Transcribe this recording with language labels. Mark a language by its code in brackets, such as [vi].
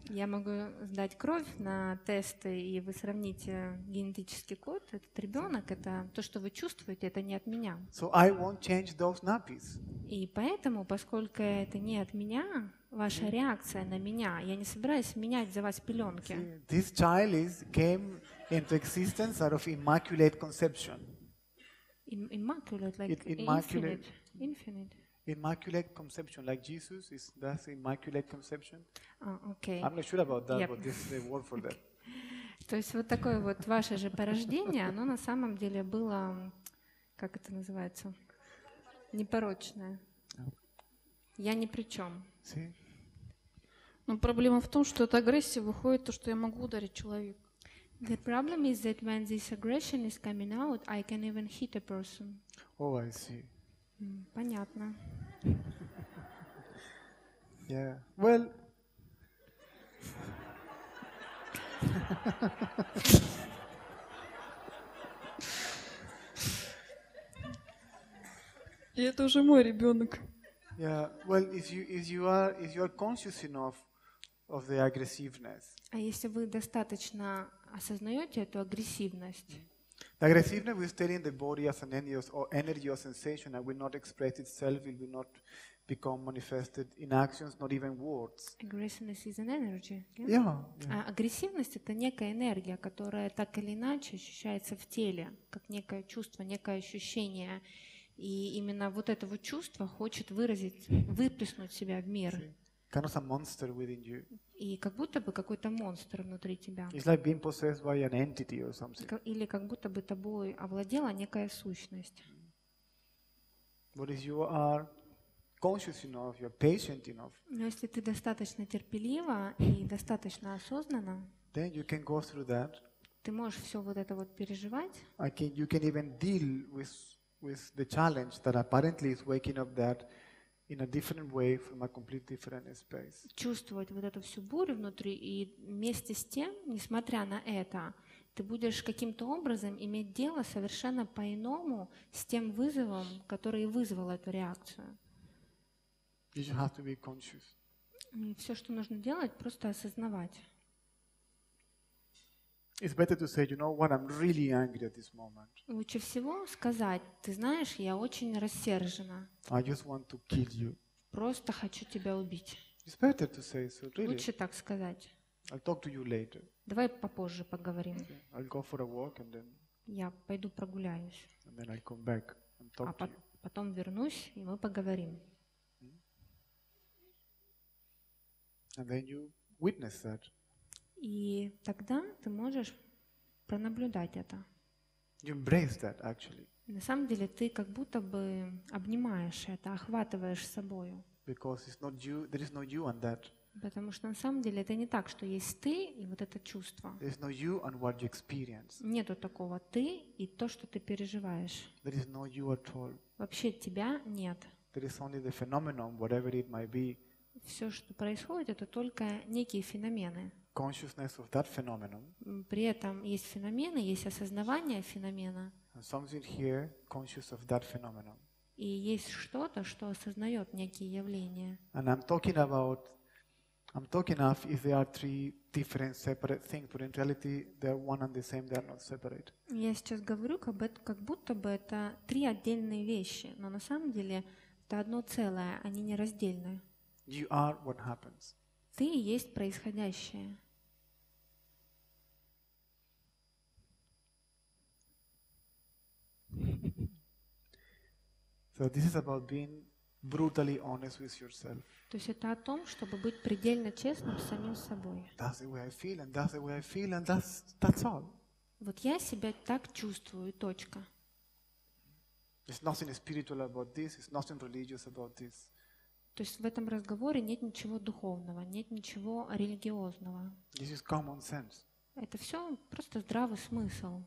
[ru] Я могу сдать кровь на тесты, и вы сравните генетический код. Этот ребенок, это то, что вы чувствуете, это не от меня. [en] So I won't change those nappies. [ru] И поэтому, поскольку это не от меня, ваша реакция на меня, я не собираюсь менять за вас пеленки. [en] See, this child is came into existence out of immaculate conception. Immaculate, like infinite. Immaculate conception, like Jesus, is that immaculate conception? Okay. I'm not sure about that, but this is the word for that. [ru] То есть вот такое вот ваше же порождение, оно на самом деле было, как это называется, непорочное. Я ни при чем. Но проблема в том, что от агрессии выходит то, что я могу ударить человека. [en] The problem is that when this aggression is coming out, I can even hit a person. Oh, I see. [ru] Понятно. [en] Yeah. Well. [ru] И это уже мой ребенок. [en] Yeah. Well, if you are conscious enough of the aggressiveness. [ru] А если вы достаточно осознаете эту агрессивность? [en] The aggressiveness is telling the body as an energy or sensation that will not express itself, will not become manifested in actions, not even words. Aggressiveness is an energy. Yeah. [ru] Агрессивность — это некая энергия, которая так или иначе ощущается в теле, как некое чувство, некое ощущение. И именно вот это вот чувство хочет выразить, выплеснуть себя в мир. [en] Kind of a monster within you. [ru] И как будто бы какой-то монстр внутри тебя. [en] It's like being possessed by an entity or something. [ru] Или как будто бы тобой овладела некая сущность. [en] But if you are conscious enough, you're patient enough. [ru] Но если ты достаточно терпелива и достаточно осознанна, [en] then you can go through that. [ru] Ты можешь все вот это вот переживать. [en] You can even deal with the challenge that apparently is waking up that in a different way from a completely different space. [ru] Чувствовать вот эту всю бурю внутри, и вместе с тем, несмотря на это, ты будешь каким-то образом иметь дело совершенно по-иному с тем вызовом, который вызвал эту реакцию. [en] You just have to be conscious. [ru] Все, что нужно делать, просто осознавать. [en] It's better to say, you know what, I'm really angry at this moment. [ru] Лучше всего сказать: ты знаешь, я очень рассержена. [en] I just want to kill you. [ru] Просто хочу тебя убить. [en] It's better to say so, really. [ru] Лучше так сказать. [en] I'll talk to you later. [ru] Давай попозже поговорим. [en] Okay. I'll go for a walk and then. [ru] Я пойду прогуляюсь. [en] And then I'll come back and talk to you. [ru] Потом вернусь и мы поговорим. [en] And then you witness that. [ru] И тогда ты можешь пронаблюдать это. [en] You embrace that, actually. [ru] На самом деле ты как будто бы обнимаешь это, охватываешь собою. [en] Because it's not you, there is no you on that. [ru] Потому что на самом деле это не так, что есть ты и вот это чувство. [en] There is no you and what you experience. [ru] Нету такого ты и то, что ты переживаешь. [en] There is no you at all. [ru] Вообще тебя нет. [en] There is only the phenomenon, whatever it might be. [ru] Все, что происходит, это только некие феномены. [en] Consciousness of that phenomenon. [ru] При этом есть феномены, есть осознавание феномена. [en] And something here conscious of that phenomenon. [ru] И есть что-то, что осознает некие явления. [en] And I'm talking of if there are three different separate things, but in reality they're one and the same, they're not separate. [ru] Я сейчас говорю, как будто бы это три отдельные вещи, но на самом деле это одно целое, они не раздельные. [en] You are what happens. [ru] Ты есть происходящее. [en] So this is about being brutally honest with yourself. [ru] То есть это о том, чтобы быть предельно честным с самим собой. [en] That's the way I feel, and that's the way I feel, and that's all. [ru] Вот я себя так чувствую, точка. [en] There's nothing spiritual about this. There's nothing religious about this. [ru] То есть в этом разговоре нет ничего духовного, нет ничего религиозного. [en] This is common sense. [ru] Это все просто здравый смысл.